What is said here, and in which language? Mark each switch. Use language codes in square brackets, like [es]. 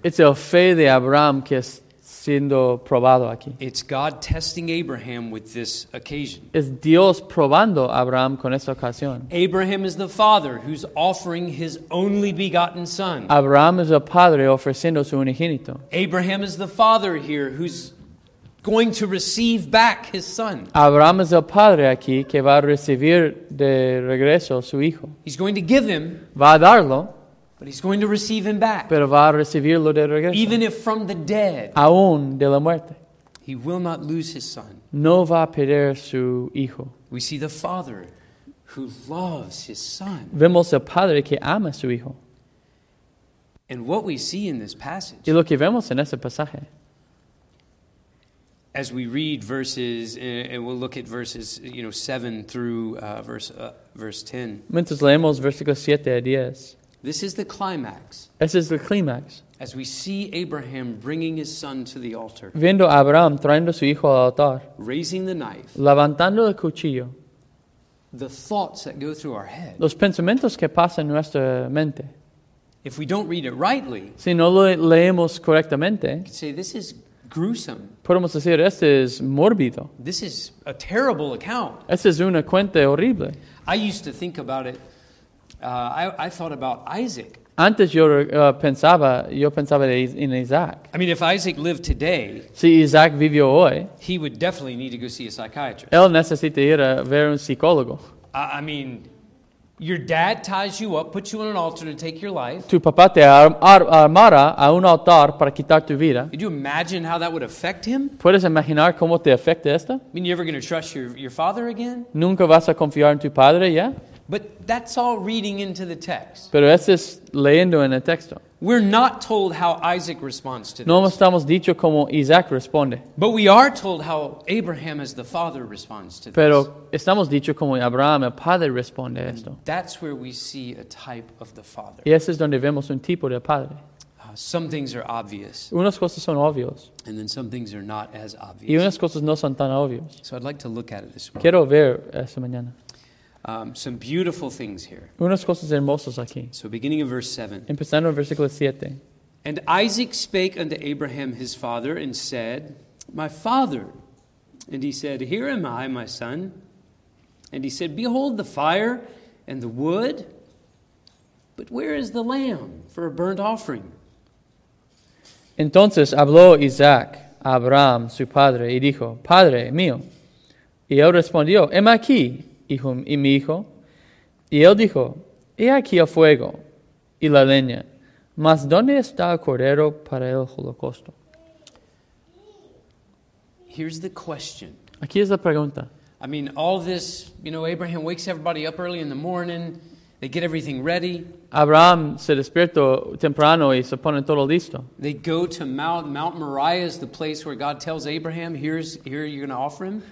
[es] Es el fe de Abraham que es siendo probado aquí. [en] It's God testing Abraham with this occasion. [es] Es Dios probando a Abraham con esta ocasión. [en] Abraham is the father who's offering his only begotten son. [es] Abraham es el padre ofreciendo su unigénito. [en] Abraham is the father here who's going to receive back his son. [es] Abraham es el padre aquí que va a recibir de regreso su hijo. [en] He's going to give him. [es] Va a darlo. [en] But he's going to receive him back. [es] Pero va a recibirlo de regreso. [en] Even if from the dead. [es] Aún de la muerte. [en] He will not lose his son. [es] No va a perder su hijo. [en] We see the father who loves his son. [es] Vemos el padre que ama su hijo. [en] And what we see in this passage. [es] Y lo que vemos en este pasaje. [en] As we read verses, and we'll look at verses, you know, 7 through verse 10. [es] Mientras leemos versículos 7 a 10. [en] This is the climax. [es] Ese es el clímax. [en] As we see Abraham bringing his son to the altar. [es] Viendo a Abraham trayendo su hijo al altar. [en] Raising the knife. [es] Levantando el cuchillo. [en] The thoughts that go through our head. [es] Los pensamientos que pasan en nuestra mente. [en] If we don't read it rightly. [es] Si no lo leemos correctamente. [en] Say this is gruesome. [es] Podemos decir este es mórbido. [en] This is a terrible account. [es] Este es una cuenta horrible. [en] I used to think about it. I thought about Isaac. [es] Antes yo pensaba en Isaac. [en] I mean, if Isaac lived today, [es] si Isaac vivió hoy, [en] he would definitely need to go see a psychiatrist. [es] Él necesita ir a ver un psicólogo. [en] I mean, your dad ties you up, puts you on an altar to take your life. [es] Tu papá te armara a un altar para quitar tu vida. [en] Could you imagine how that would affect him? [es] ¿Puedes imaginar cómo te afecta esto? [en] I mean, you ever going to trust your father again? [es] ¿Nunca vas a confiar en tu padre ya? [en] But that's all reading into the text. [es] Pero eso es leyendo en el texto. [en] We're not told how Isaac responds to this. [es] No estamos dicho cómo Isaac responde. [en] But we are told how Abraham as the father responds to this. [es] Pero estamos dicho cómo Abraham el padre responde [en] and [es] a esto. [en] That's where we see a type of the father. [es] Y eso es donde vemos un tipo de padre. [en] Some things are obvious. [es] Unas cosas son obvias. [en] And then some things are not as obvious. [es] Y unas cosas no son tan obvias. [en] So I'd like to look at it this morning. [es] Quiero ver esta mañana. [en] Some beautiful things here. [es] Unas cosas hermosas aquí. [en] So beginning of verse 7. [es] Empezando en versículo 7. [en] And Isaac spake unto Abraham his father and said, My father. And he said, Here am I, my son. And he said, Behold the fire and the wood, but where is the lamb for a burnt offering? [es] Entonces habló Isaac a Abraham, su padre, y dijo, Padre mío. Y él respondió, Heme aquí. Hijo y mi hijo. Y él dijo, he aquí el fuego y la leña, mas ¿dónde está el cordero para el holocausto? [en] Here's the question. [es] Aquí es la pregunta. [en] I mean, all this, you know, Abraham wakes everybody up early in the morning, they get everything ready. [es] Abraham se despierta temprano y se pone todo listo. [en] They go to Mount Moriah is the place where God tells Abraham, here you're going to offer him.